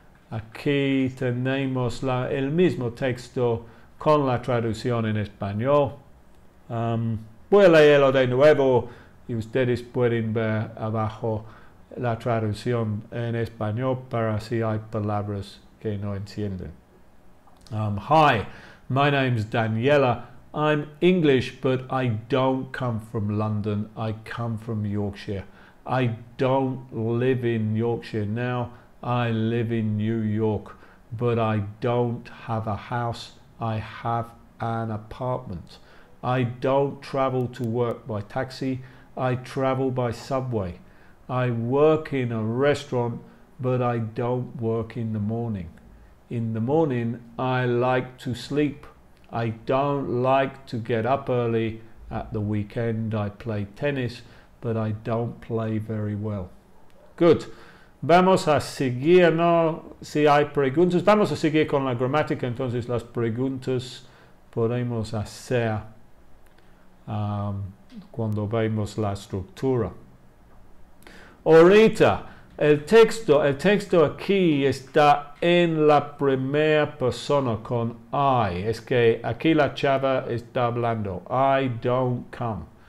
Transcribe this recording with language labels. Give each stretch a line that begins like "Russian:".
Spanish: Aquí tenemos el mismo texto con la traducción en español. Voy a leerlo de nuevo y ustedes pueden ver abajo la traducción en español para si hay palabras que no entienden.
English: Hi, my name's Daniela. I'm English, but I don't come from London. I come from Yorkshire. I don't live in Yorkshire now. I live in New York, but I don't have a house. I have an apartment. I don't travel to work by taxi. I travel by subway. I work in a restaurant, but I don't work in the morning. In the morning, I like to sleep. I don't like to get up early. At the weekend, I play tennis, but I don't play very well. Good.
Spanish: Vamos a seguir, ¿no? Si hay preguntas, vamos a seguir con la gramática. Entonces, las preguntas podemos hacer cuando vemos la estructura. Ahorita, el texto aquí está en la primera persona con I. Es que aquí la chava está hablando.
English: I don't come.